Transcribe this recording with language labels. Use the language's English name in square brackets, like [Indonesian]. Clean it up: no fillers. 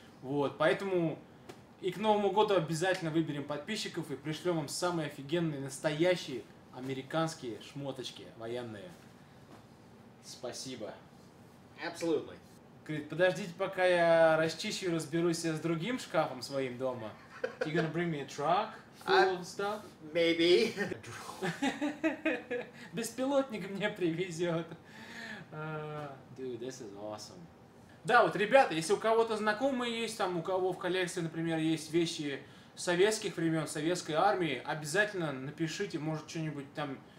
[Russian] Вот, поэтому и к Новому году обязательно выберем подписчиков и пришлем вам самые офигенные, настоящие американские шмоточки военные. Спасибо. [English] Absolutely. [Russian] Говорит, подождите, пока я расчищу и разберусь с другим шкафом своим дома. [English] You gonna bring me a truck full of stuff? Maybe. [Russian] Беспилотник мне привезет. [English] Dude, this is awesome. [Russian] Да, вот, ребята, если у кого-то знакомые есть, там, у кого в коллекции, например, есть вещи советских времен, советской армии, обязательно напишите, может, что-нибудь там...